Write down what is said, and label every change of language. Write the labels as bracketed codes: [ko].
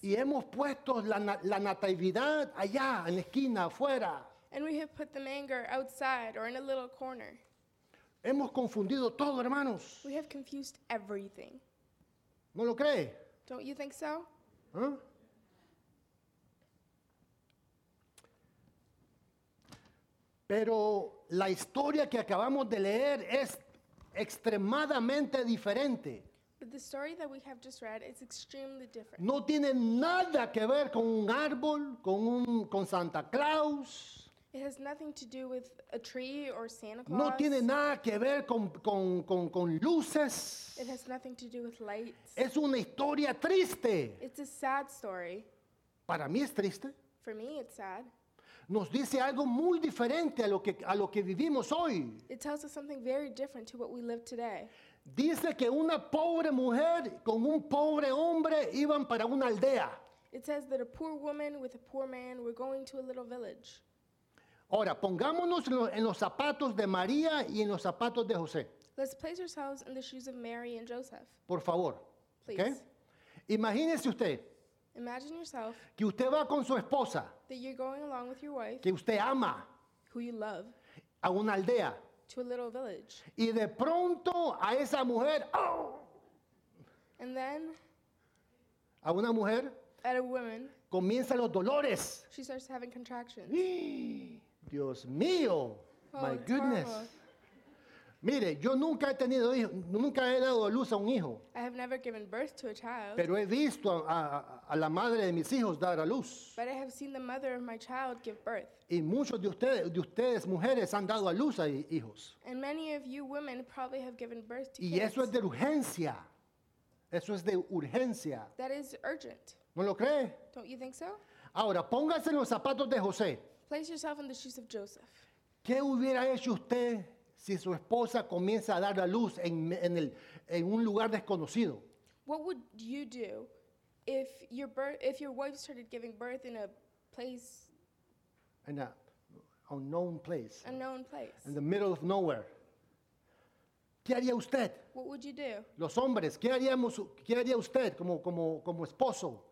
[es] Y hemos puesto la natividad allá, en la esquina, afuera. [en] And we have put the manger outside or in a little corner. [es] Hemos confundido todo, hermanos. [en] We have confused everything. [es] ¿No lo cree? [en] Don't you think so? [es] Pero la historia que acabamos de leer es extremadamente diferente. [en] But the story that we have just read is extremely different. [es] No tiene nada que ver con un árbol, con Santa Claus. [en] It has nothing to do with a tree or Santa Claus. [es] No tiene nada que ver con luces. [en] It has nothing to do with lights. [es] Es una historia triste. [en] It's a sad story. [es] Para mí es triste. [en] For me, it's sad. [es] Nos dice algo muy diferente a lo que vivimos hoy. [en] It tells us something very different to what we live today. [es] Dice que una pobre mujer con un pobre hombre iban para una aldea. [en] It says that a poor woman with a poor man were going to a little village. [es] Ahora, pongámonos en los zapatos de María y en los zapatos de José. [en] Let's place ourselves in the shoes of Mary and Joseph. [es] Por favor. [en] Please. Okay? [es] Imagínese usted. [en] Imagine yourself. [es] Que usted va con su esposa. [en] That you're going along with your wife. [es] Que usted ama. [en] Who you love. [es] A una aldea. [en] To a little village. [es] Y de pronto a esa mujer. Oh, [en] and then. [es] A una mujer. [en] At a woman. [es] comienzan los dolores. [en] She starts having contractions. [es] Dios mío. Oh, [en] my goodness. [es] Mire, yo nunca he tenido hijos, nunca he dado luz a un hijo. [en] I have never given birth to a child. [es] Pero he visto a la madre de mis hijos dar a luz. [en] But I have seen the mother of my child give birth. [es] Y muchos de ustedes mujeres han dado a luz a hijos. [en] And many of you women probably have given birth to [es] y [en] kids. [es] Y eso es de urgencia. Eso es de urgencia. [en] That is urgent. [es] ¿No lo cree? [en] Don't you think so? [es] Ahora, póngase en los zapatos de José. [en] Place yourself in the shoes of Joseph. [es] ¿Qué hubiera hecho usted si su esposa comienza a dar la luz en un lugar desconocido? [en] What would you do if your wife started giving birth in a place? In a unknown place. Unknown place. In the middle of nowhere. [es] ¿Qué haría usted? [en] What would you do? [es] Los hombres, ¿qué haría usted como esposo?